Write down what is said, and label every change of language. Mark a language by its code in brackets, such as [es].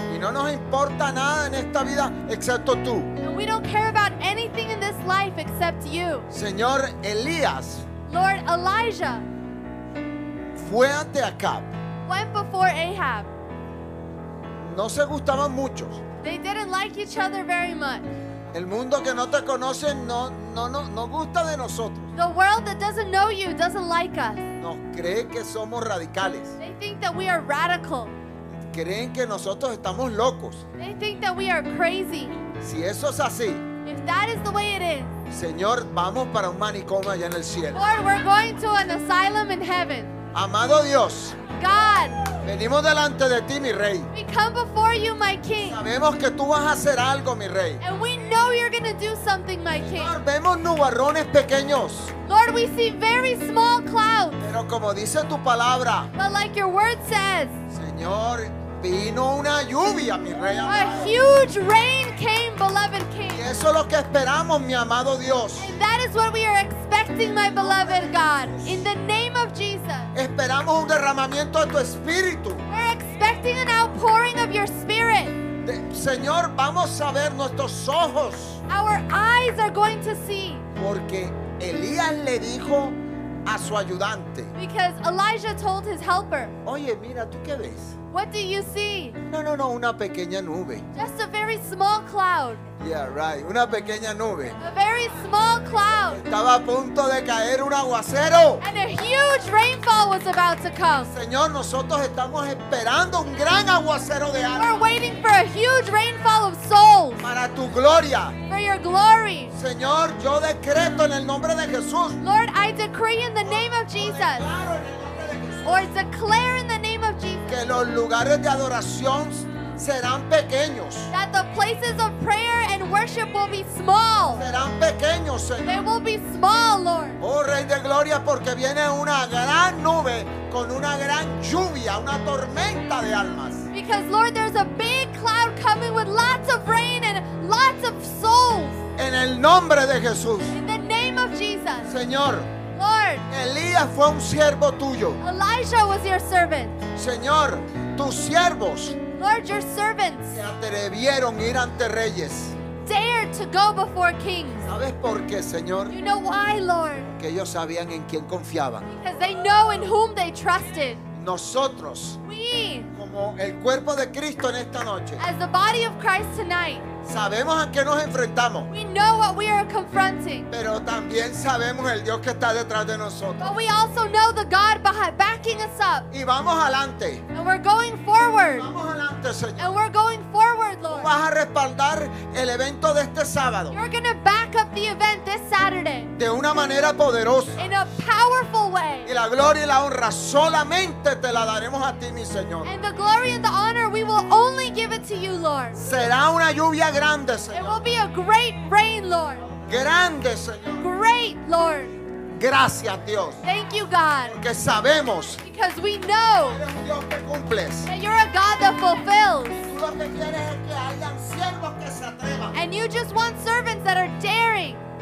[es] Y no nos importa nada en esta vida excepto tú. [en] And we don't care about anything in this life except you. [es] Señor Elías. [en] Lord Elijah. [es] Fue ante Acab. [en] Went before Ahab. [es] No se gustaban muchos. [en] They didn't like each other very much. [es] El mundo que no te conoce no gusta de nosotros. [en] The world that doesn't know you doesn't like us. [es] Nos cree que somos radicales. [en] They think that we are radical. [es] Creen que nosotros estamos locos. [en] They think that we are crazy. [es] Si eso es así. [en] If that is the way it is. [es] Señor, vamos para un manicomio allá en el cielo. [en] Lord, we're going to an asylum in heaven. [es] Amado Dios. [en] God. [es] Venimos delante de ti, mi rey. [en] We come before you, my king. [es] Sabemos que tú vas a hacer algo, mi rey. [en] And we know you're going to do something, my king. [es] Lord, vemos nubarrones pequeños. [en] Lord, we see very small clouds. [es] Pero como dice tu palabra. [en] But like your word says. [es] Señor, vino una lluvia, mi rey amado. [en] A huge rain came, beloved king. [es] Y eso es lo que esperamos, mi amado Dios. [en] And that is what we are expecting, my beloved God. In the name of Jesus. [es] Esperamos un derramamiento de tu espíritu. [en] We're expecting an outpouring of your spirit. [es] Señor, vamos a ver nuestros ojos. [en] Our eyes are going to see. [es] Porque Elías le dijo a su ayudante. [en] Because Elijah told his helper. [es] Oye, mira, ¿tú qué ves? [en] What do you see? [es] No, una pequeña nube. [en] Just a very small cloud. Yeah, right. [es] Una pequeña nube. [en] A very small cloud. [es] Estaba a punto de caer un aguacero. [en] And a huge rainfall was about to come. [es] Señor, nosotros estamos esperando un gran aguacero de almas. [en] We're waiting for a huge rainfall of souls. [es] Para tu gloria. [en] For your glory. [es] Señor, yo decreto en el nombre de Jesús. [en] Lord, I decree in the name of Jesus. Or declare in the name of Jesus. [es] Que los lugares de adoración serán pequeños. [en] That the places of prayer and worship will be small. [es] Serán pequeños, Señor. [en] They will be small, Lord. [es] Oh, Rey de Gloria, porque viene una gran nube con una gran lluvia, una tormenta de almas. [en] Because, Lord, there's a big cloud coming with lots of rain and lots of souls. [es] En el nombre de Jesús. [en] In the name of Jesus. [es] Señor. [en] Lord, [es] Elías fue un siervo tuyo. [en] Elijah was your servant. [es] Señor, tus siervos. [en] Lord, your servants. [es] Se atrevieron a ir ante reyes. [en] Dared to go before kings. [es] ¿Sabes por qué, Señor? [en] You know why, Lord? [es] Que ellos sabían en quién confiaban. [en] Because they know in whom they trusted. [es] Nosotros. [en] We. [es] Como el cuerpo de Cristo en esta noche. [en] As the body of Christ tonight. [es] Sabemos a qué nos enfrentamos. [en] We know what we are confronting. [es] Pero también sabemos el Dios que está detrás de nosotros. [en] But we also know the God behind, backing us up. [es] Y vamos adelante. [en] And we're going forward. [es] Vamos adelante, Señor. [en] And we're going forward, Lord. [es] Vas a respaldar el evento de este sábado. [en] You're going to back up the event this Saturday. [es] De una manera poderosa. [en] In a powerful way. [es] Y la gloria y la honra solamente te la daremos a ti, mi Señor. [en] And the glory and the honor we will only give it to you, Lord. [es] Será una lluvia grande, Señor. [en] It will be a great rain, Lord. [es] Grande, Señor. [en] Great, Lord. [es] Gracias, Dios. [en] Thank you, God. [es] Porque sabemos. [en] Because we know. [es] Eres un Dios que cumples. [en] That you're a God that fulfills. [es] Tú lo que quieres es que hayan siervos que se atrevan. [en] And you just want servants that are daring.